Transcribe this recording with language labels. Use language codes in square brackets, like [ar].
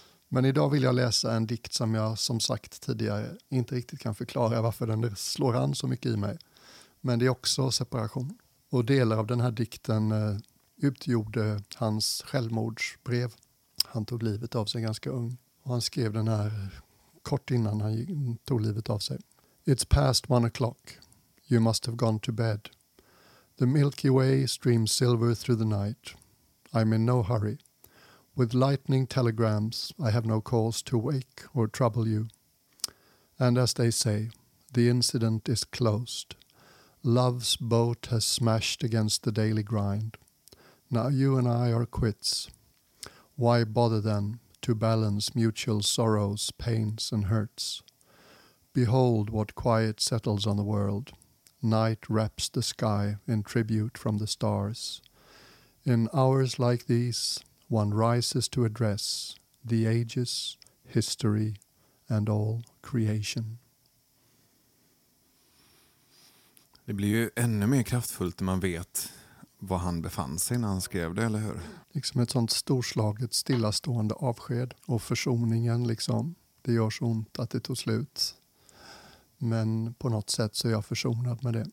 [sv] Men idag vill jag läsa en dikt som jag som sagt tidigare inte riktigt kan förklara varför den slår an så mycket i mig. Men det är också separation. Och delar av den här dikten utgjorde hans självmordsbrev. Han tog livet av sig ganska ung. Och han skrev den här kort innan han tog livet av sig. [en] It's past 1 o'clock. You must have gone to bed. The Milky Way streams silver through the night. I'm in no hurry. With lightning telegrams, I have no cause to wake or trouble you. And as they say, the incident is closed. Love's boat has smashed against the daily grind. Now you and I are quits. Why bother then to balance mutual sorrows, pains and hurts? Behold what quiet settles on the world. Night wraps the sky in tribute from the stars. In hours like these, one rises to address the ages, history and all creation. [sv] Det blir ju ännu mer kraftfullt när man vet var han befann sig när han skrev det, eller hur? Liksom ett sånt storslaget, stillastående avsked och försoningen, liksom. Det gör så ont att det tog slut. Men på något sätt så är jag försonad med det.